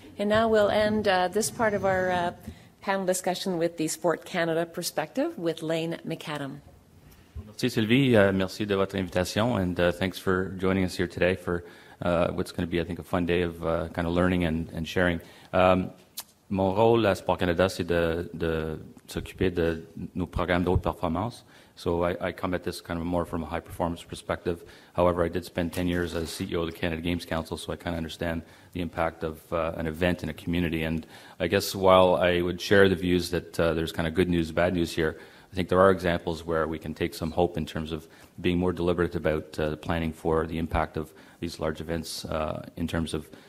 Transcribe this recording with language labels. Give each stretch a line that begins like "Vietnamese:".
English: And now we'll end this part of our panel discussion with the Sport Canada perspective with Lane McAdam.
French: Merci, Sylvie. Merci de votre invitation,
English: and thanks for joining us here today for what's going to be, I think, a fun day of kind of learning and sharing.
French: Mon rôle à Sport Canada, c'est de s'occuper de nos programmes d'haute performance.
English: So I come at this kind of more from a high-performance perspective. However, I did spend 10 years as CEO of the Canada Games Council, so I kind of understand the impact of an event in a community. And I guess while I would share the views that there's kind of good news, bad news here, I think there are examples where we can take some hope in terms of being more deliberate about the planning for the impact of these large events in terms of